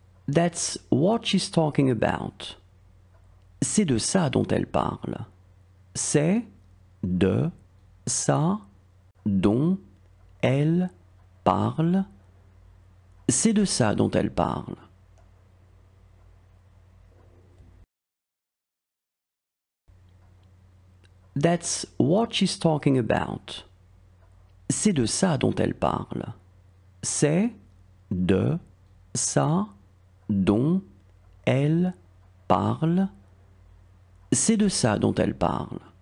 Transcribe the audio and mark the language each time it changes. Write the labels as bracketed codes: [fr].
[en] That's what she's talking about. [fr] C'est de ça dont elle parle. C'est de ça dont elle parle. C'est de ça dont elle parle. [en] That's what she's talking about. [fr] C'est de ça dont elle parle. C'est de ça dont elle parle. C'est de ça dont elle parle.